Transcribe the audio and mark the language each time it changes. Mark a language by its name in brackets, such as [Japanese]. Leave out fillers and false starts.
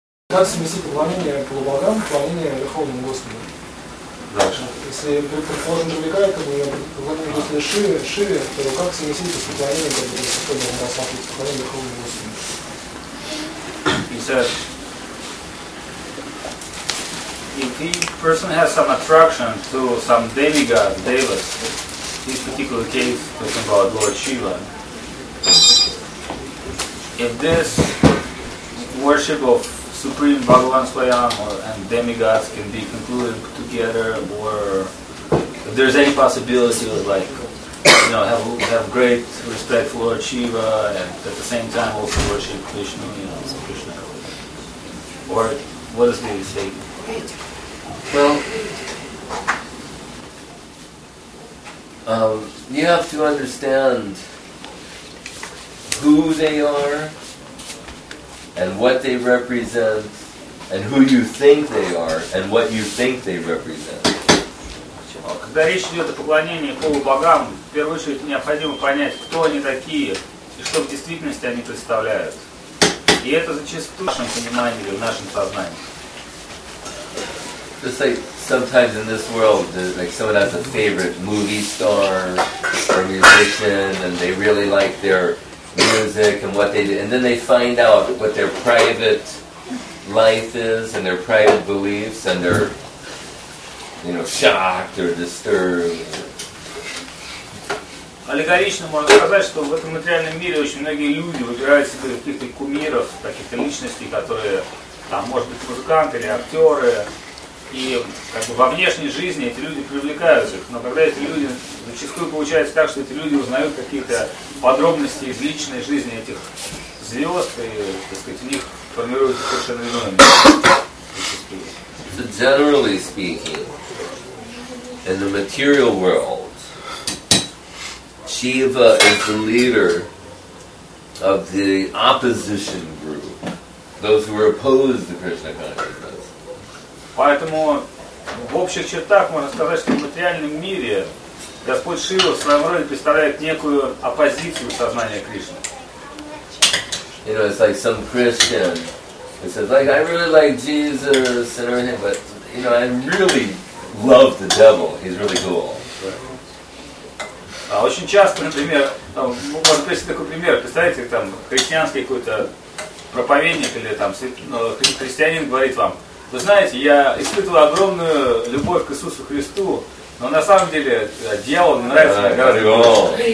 [Russian] Как совместить поклонение по богам, поклонение Верховному Господу? Дальше. Если предположим, привлекает поклонение Господу шире, то как совместить поклонение Верховному Господу? 50. [English] If the person has some attraction to some demigod, devas, this particular case talking about Lord Shiva, if this worship of Supreme Bhagavan Swayam and demigods can be concluded together, or if there's any possibility of, like, you know, have great respect for Lord Shiva and at the same time also worship Vishnu, you know, so Krishna. Or what does maybe say? Well, you have to understand who they are and what they represent and who you think they are and what you think they represent. [Russian] Когда речь идет о поклонении полубогам, в первую очередь необходимо понять, кто они такие и что в действительности они представляют. И это зачастую в нашем понимании или в нашем сознании. [English] Just like sometimes in this world, like someone has a favorite movie star or musician, and they really like their music and what they do, and then they find out what their private life is and their private beliefs, and they're, you know, shocked or disturbed. [Russian] Аллегорично можно сказать, что в этом материальном мире очень многие люди выбирают себе каких-то кумиров, каких-то личностей, которые там, может быть, музыканты или актеры. И как бы во внешней жизни эти люди привлекают их, но когда эти люди, зачастую получается так, что эти люди узнают какие-то подробности из личной жизни этих звезд, и, так сказать, у них формируется совершенно иное мнение. [English] Generally speaking, in the material world, Shiva is the leader of the opposition group, those who are opposed to Krishna consciousness. [Russian] Поэтому в общих чертах можно сказать, что в материальном мире Господь Шива в своем роде представляет некую оппозицию сознания Кришны. [English] You know, it's like some Christian who says, like, I really like Jesus and everything, but, you know, I really love the devil. He's really cool. [Russian] Очень часто, например, можно привести такой пример. Представляете, там христианский какой-то проповедник или там христианин говорит вам: вы знаете, я испытываю огромную любовь к Иисусу Христу, но на самом деле дьявол мне нравится гораздо